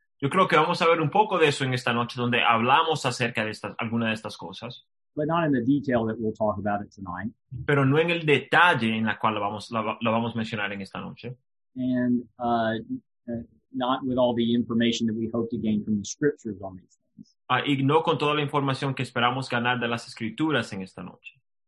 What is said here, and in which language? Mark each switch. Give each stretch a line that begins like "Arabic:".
Spanish: Yo creo que vamos a ver un poco de eso en esta noche donde hablamos acerca de alguna de estas cosas.
English: But not in the detail that we'll talk about it tonight.
Spanish: Pero no en el detalle en la cual lo vamos a mencionar en esta noche.
English: And not with all the information that we hope to gain from the scriptures on these things.
Spanish: Y no con toda la información que esperamos ganar de las escrituras en esta noche.